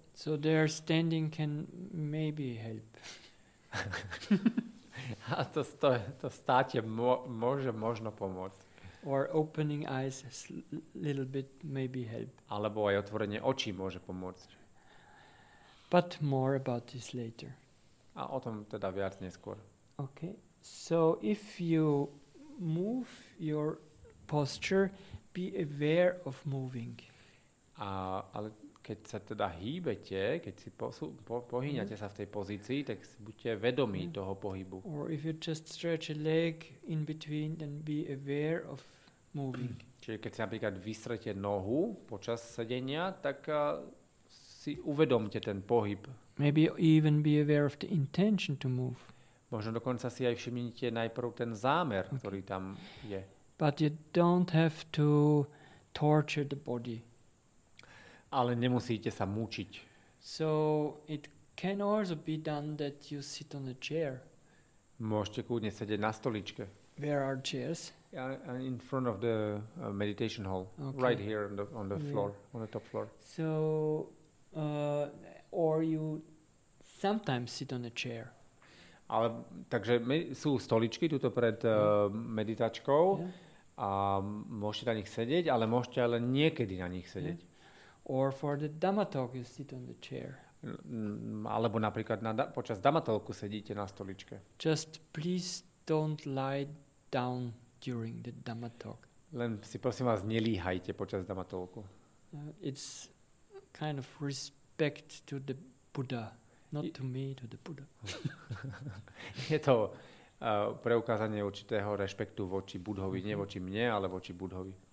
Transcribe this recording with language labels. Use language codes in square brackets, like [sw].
[en] So their standing can maybe help. [sk] A to státe môže možno pomôcť. [en] Or opening eyes a little bit maybe help. [sk] Alebo aj otvorenie očí môže pomôcť. [en] But more about this later. [sk] A o tom teda viac neskôr. [en] Okay. So if you move your posture, be aware of moving. [sk] A ale keď sa teda hýbete, keď si pohýňate sa v tej pozícii, tak buďte vedomí toho pohybu. [en] Or if you just stretch a leg in between, then be aware of moving. [sk] Čiže keď si napríklad vystrete nohu počas sedenia, tak si uvedomte ten pohyb. [en] Maybe even be aware of the intention to move. [sk] Možno dokonca si aj všimnite najprv ten zámer, okay, ktorý tam je. [en] But you don't have to torture the body. [sk] Ale nemusíte sa mučiť. [en] So it can also be done that you sit on a chair. [sk] Môžete kľudne sedieť na stoličke. [en] Where are chairs? In front of the meditation hall. Okay. Right here on the floor, on the top floor. So or you sometimes sit on a chair. [sk] Ale takže sú stoličky tuto pred meditačkou, yeah, a môžete na nich sedieť, ale môžete ale niekedy na nich sedieť. [en] Yeah. Or for the Dhamma talk you sit on the chair. [sk] Alebo napríklad počas Dhamma talku sedíte na stoličke. [en] Just please don't lie down during the Dhamma talk. [sk] Len si prosím vás nelíhajte počas Dhamma talku. [en] It's kind of respect to the Buddha, not to me, to the Buddha. [sk] Je to preukázanie určitého rešpektu voči Budhovi, nie voči mne, ale voči Budhovi.